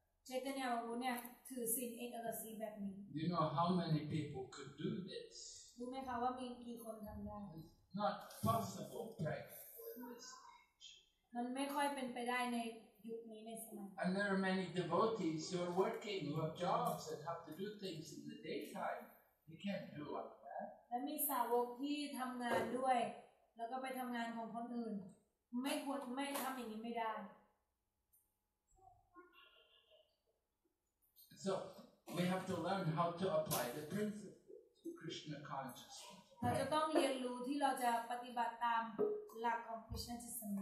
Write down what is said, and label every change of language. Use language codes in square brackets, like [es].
[th] Chaitanya Prabhu เนี่ยถือศีลเอกาทศีแบบนี้ [en] You know how many people could do this [th] รู้ไหมคะว่ามีกี่คนทำได้ [en] Not possible practically in this age [th] มันไม่ค่อยเป็นไปได้ในยุคนี้ในสมัย [en] And there are many devotees who are working who have jobs and have to do things in the daytime they can't do like that [th] และมีสาวกที่ทำงานด้วยแล้วก็ไปทำงานของคนอื่นไม่ควรไม่ทำอย่างนี้ไม่ได้ [en] So we have to learn how to apply the principle to Krishna consciousness.